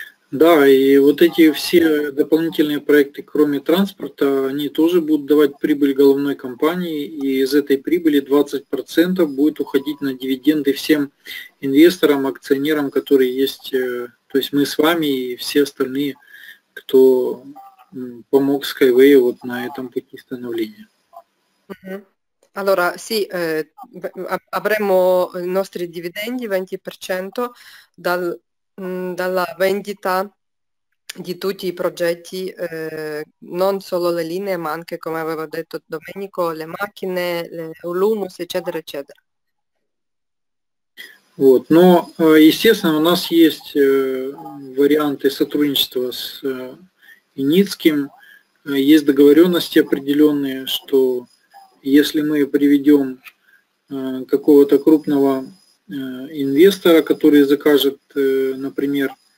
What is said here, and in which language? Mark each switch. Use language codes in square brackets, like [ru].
[ru] Да, и вот эти все дополнительные проекты, кроме транспорта, они тоже будут давать прибыль головной компании, и из этой прибыли 20% будет уходить на дивиденды всем инвесторам, акционерам, которые есть, то есть мы с вами и все остальные, кто помог Skyway вот на этом пути становления. [it] Allora, sì, avremo i nostri dividendi 20% dal dalla vendita di tutti i progetti, non solo le linee, ma anche, come aveva detto Domenico, le macchine, l'humus, eccetera, eccetera. [ru] Вот, но, естественно, у нас есть варианты сотрудничества с Яницким. Есть договоренности определенные, что если мы приведем какого-то крупного инвестора, который закажет, например,